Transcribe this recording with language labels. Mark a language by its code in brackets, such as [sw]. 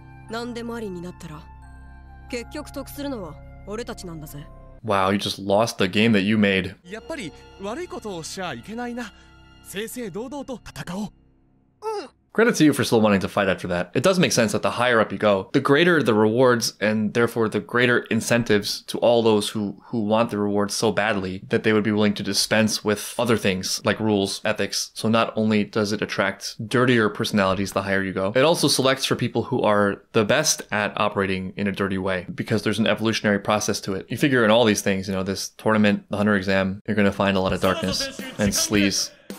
[ja] 何でもありになったら、結局得するのは俺たちなんだぜ。 [en] Wow, you just lost the game that you made. [ja] やっぱり悪いことをしちゃいけないな。正々堂々と戦おう。 [en] Credit to you for still wanting to fight after that. It does make sense that the higher up you go, the greater the rewards and therefore the greater incentives to all those who want the rewards so badly that they would be willing to dispense with other things like rules, ethics. So not only does it attract dirtier personalities the higher you go, it also selects for people who are the best at operating in a dirty way because there's an evolutionary process to it. You figure in all these things, you know, this tournament, the hunter exam, you're going to find a lot of darkness and sleaze.